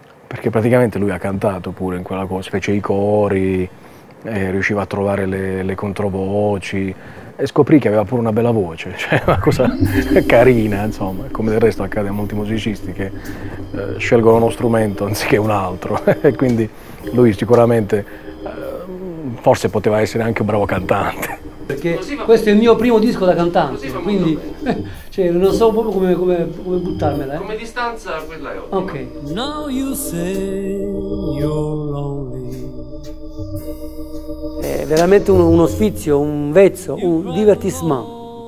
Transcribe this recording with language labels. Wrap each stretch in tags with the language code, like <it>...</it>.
<it>perché praticamente lui ha cantato pure in quella cosa, fece i cori, riusciva a trovare le controvoci e scoprì che aveva pure una bella voce, cioè una cosa carina, insomma, come del resto accade a molti musicisti che scelgono uno strumento anziché un altro, e quindi lui sicuramente forse poteva essere anche un bravo cantante. Perché questo è il mio primo disco da cantante, quindi cioè, non so proprio come buttarmela. Come distanza quella è ottima. Ok.</it> <en>Now you say you're lonely.</en> <it>È veramente uno sfizio, un vezzo, un divertissement.</it>